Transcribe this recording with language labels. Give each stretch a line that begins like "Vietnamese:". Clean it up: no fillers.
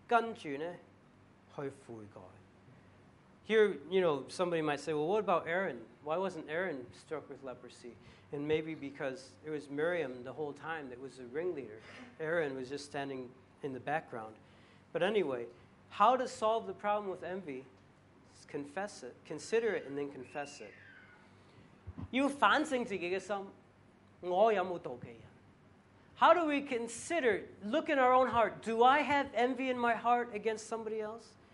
Chinese: 在整个情况里面，他没什么出声。可能米利暗呢，他是这个主谋人，所以他就不用求摩西帮手祷告。但是我们见到两件事要做呢，先是反省自己的错，跟着呢去悔改。
English: Here, you know, somebody might say, well, what about Aaron? Why wasn't Aaron struck with leprosy? And maybe because it was Miriam the whole time that was the ringleader. Aaron was just standing in the background. But anyway, how to solve the problem with envy? Confess it, consider it, and then confess it.
Chinese: 要反省自己的心,我有没有妒忌人?
English: How do we consider, look in our own heart, do I have envy in my heart against somebody else?